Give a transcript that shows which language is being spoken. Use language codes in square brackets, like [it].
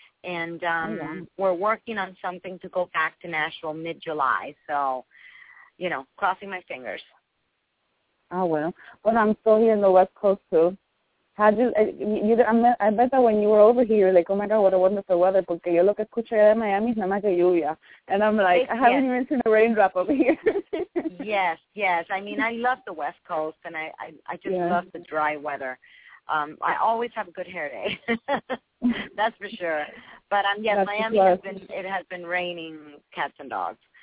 [en] And we're working on something to go back to Nashville mid-July. So, you know, crossing my fingers. Oh, well. But I'm still here in the West Coast, too. I bet that when you were over here, like, oh, my God, what a wonderful weather. [es] Porque yo lo que escucho allá de Miami es nada más que lluvia. [en] And I'm like, yes, I haven't even seen a raindrop over here. Yes, yes. I mean, I love the West Coast, and I just love the dry weather. I always have a good hair day. That's for sure. But, it has been raining cats and dogs.